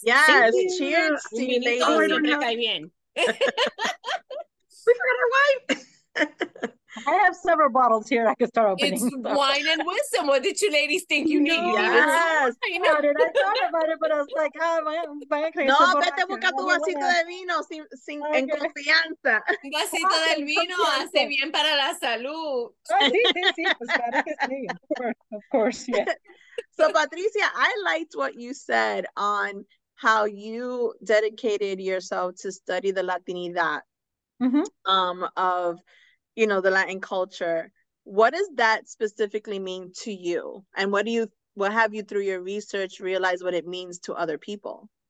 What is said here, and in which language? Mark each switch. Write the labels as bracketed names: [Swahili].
[English] Yes. You. Cheers to you ladies. We forgot our wine. I have several bottles here I could start opening. It's wine and wisdom. What did you ladies think you need? Yes. I thought about it, but I was like, my [Spanish] no, vete busca tu vasito de vino sin en confianza. Un vasito del vino hace bien para la salud. Sí, sí, sí. [English] Of course, yeah. So, Patricia, I liked what you said on how you dedicated yourself to study the Latinidad of, you know, the Latin culture. What does that specifically mean to you? And what have you through your research realized what it means to other people?